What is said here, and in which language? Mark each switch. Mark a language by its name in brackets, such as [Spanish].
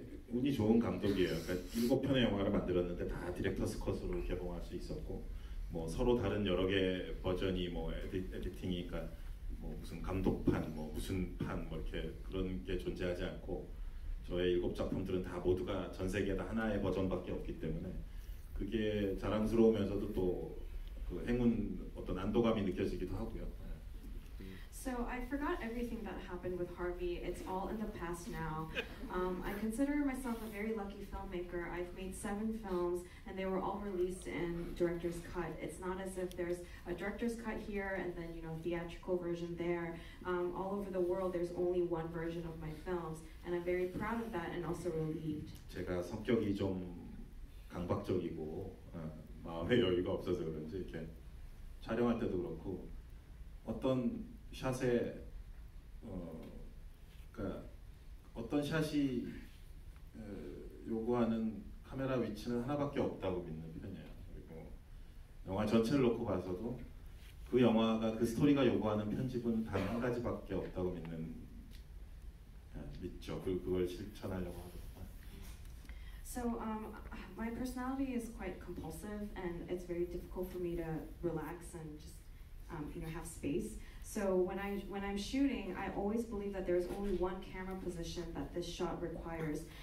[Korean] 운이 좋은 감독이에요. 그러니까 7편의 영화를 만들었는데 다 디렉터스 컷으로 개봉할 수 있었고, 뭐 서로 다른 여러 개 버전이 뭐 에디팅이니까 뭐 무슨 감독판, 뭐 무슨 판, 뭐 이렇게 그런 게 존재하지 않고 저의 일곱 작품들은 다 모두가 전 세계에 다 하나의 버전밖에 없기 때문에 그게 자랑스러우면서도 또 그 행운 어떤 안도감이 느껴지기도 하고요. [English] So I forgot everything that happened with Harvey. It's all in the past now. I consider myself a very lucky filmmaker. I've made 7 films, and they were all released in director's cut. It's not as if there's a director's cut here and then, you know, theatrical version there. All over the world, there's only one version of my films, and I'm very proud of that and also relieved. [Korean] 제가 성격이 좀 강박적이고 마음의 여유가 없어서 그런지 이렇게 촬영할 때도 그렇고 어떤 샷에 그러니까 어떤 샷이 요구하는 카메라 위치는 하나밖에 없다고 믿는 편이에요. 그리고 영화 전체를 놓고 봐서도 그 영화가 그 스토리가 요구하는 편집은 단 한 가지밖에 없다고 믿는 믿죠. 그걸 실천하려고 하고. [English] So my personality is quite compulsive, and it's very difficult for me to relax and just you know, have space. So when I'm shooting, I always believe that there's only one camera position that this shot requires.